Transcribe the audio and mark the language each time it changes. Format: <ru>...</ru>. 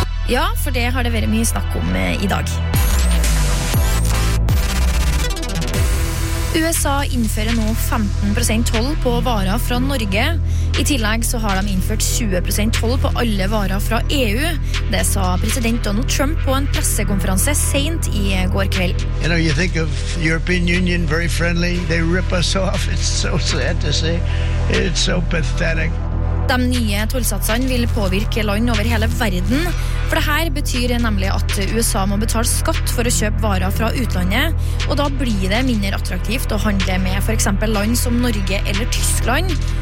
<no>Ja, for det har det vært mye snakk om I dag. USA innfører nå 15% toll på varer fra Norge. I tillegg så har de innført 20% toll på alle varer fra EU. Det sa president Donald Trump på en pressekonferanse sent I går kveld.</no> <en>You know, you think of the European Union very friendly. They rip us off. It's so sad to see. It's so pathetic.</en> <no>De nye tollsatsene vil påvirke land over hele verden, for det her betyr nemlig at USA må betale skatt for å kjøpe varer fra utlandet, og da blir det mindre attraktivt å handle med for eksempel land som Norge eller Tyskland.</no>